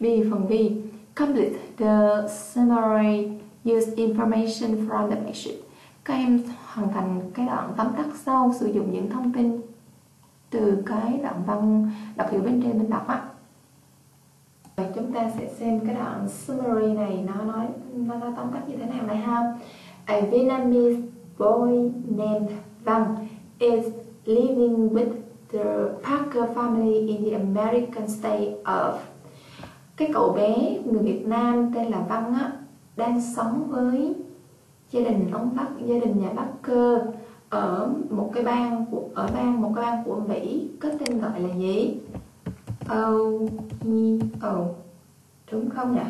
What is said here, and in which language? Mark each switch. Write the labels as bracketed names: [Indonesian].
[English] Phần B. Complete the summary, use information from the worksheet. [Vietnamese] Các em hoàn thành cái đoạn tóm tắt sau, sử dụng những thông tin từ cái đoạn văn đọc hiểu bên trên mình đọc á. Rồi chúng ta sẽ xem cái đoạn summary này nó nói tóm tắt như thế nào này ha. [English] A Vietnamese boy named Văn is living with the Parker family in the American state of. [Vietnamese] Cái cậu bé người Việt Nam tên là Văn á đang sống với gia đình ông Bắc, gia đình nhà Parker ở bang một cái bang của Mỹ có tên gọi là gì? Ohio, đúng không nhỉ?